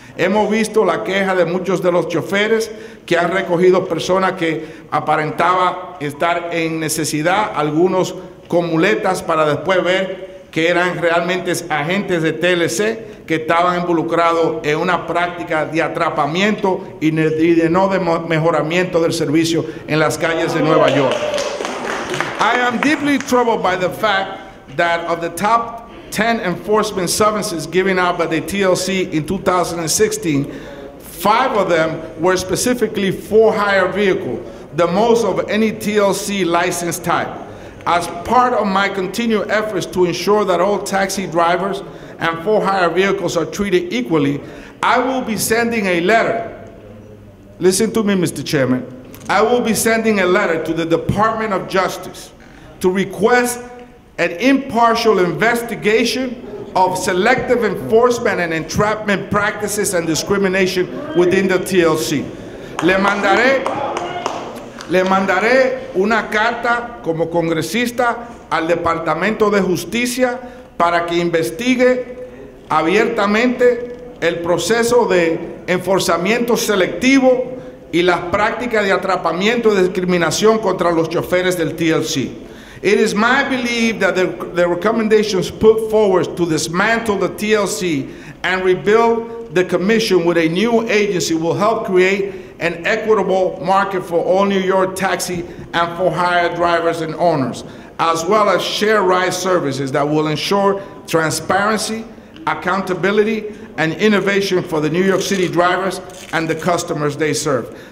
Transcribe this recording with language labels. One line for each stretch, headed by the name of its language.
Spanish: Hemos visto la queja de muchos de los choferes que han recogido personas que aparentaba estar en necesidad, algunos con muletas, para después ver que eran realmente agentes de TLC que estaban involucrados en una práctica de atrapamiento y de no de mejoramiento del servicio en las calles de Nueva York.
English: I am deeply troubled by the fact that of the top 10 enforcement summonses given out by the TLC in 2016, five of them were specifically for hire vehicle, the most of any TLC license type. As part of my continued efforts to ensure that all taxi drivers and for hire vehicles are treated equally, I will be sending a letter. Listen to me, Mr. Chairman. I will be sending a letter to the Department of Justice to request an impartial investigation of selective enforcement and entrapment practices and discrimination within the TLC.
Spanish: Le mandaré una carta como congresista al Departamento de Justicia para que investigue abiertamente el proceso de enforzamiento selectivo y las prácticas de atrapamiento y discriminación contra los choferes del TLC.
English: It is my belief that the recommendations put forward to dismantle the TLC and rebuild the commission with a new agency will help create an equitable market for all New York taxi and for hire drivers and owners, as well as share ride services that will ensure transparency, accountability, and innovation for the New York City drivers and the customers they serve.